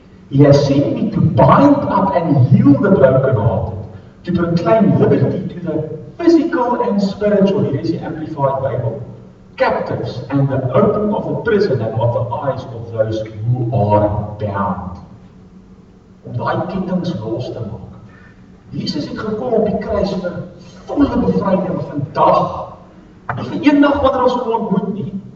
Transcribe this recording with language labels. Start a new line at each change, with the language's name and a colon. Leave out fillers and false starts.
English: He has sent me to bind up and heal the brokenhearted, to proclaim liberty to the physical and spiritual, here is the Amplified Bible, captives and the opening of the prison and of the eyes of those who are bound.
Afrikaans: Om die kettinge los te maak. Jesus het gekom op die kruis vir volle bevryding vandag. Nie vir een dag wanneer ons hom ontmoet nie.